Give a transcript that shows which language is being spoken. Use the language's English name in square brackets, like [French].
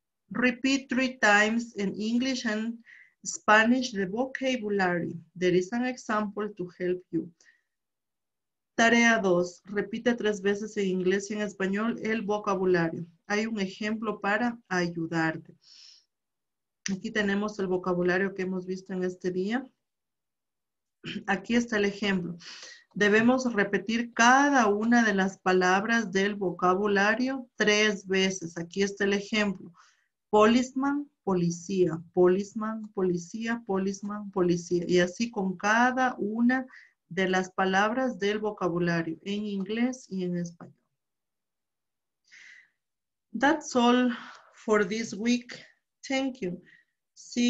[English] Repeat 3 times in English and Spanish the vocabulary. There is an example to help you. [Spanish] Tarea 2. Repite 3 veces en inglés y en español el vocabulario. Hay un ejemplo para ayudarte. Aquí tenemos el vocabulario que hemos visto en este día. Aquí está el ejemplo. Debemos repetir cada una de las palabras del vocabulario 3 veces. Aquí está el ejemplo. Policeman, policía. Policeman, policía. Policeman, policía. Y así con cada una de las palabras del vocabulario en inglés y en español. [English] That's all for this week. Thank you. See you.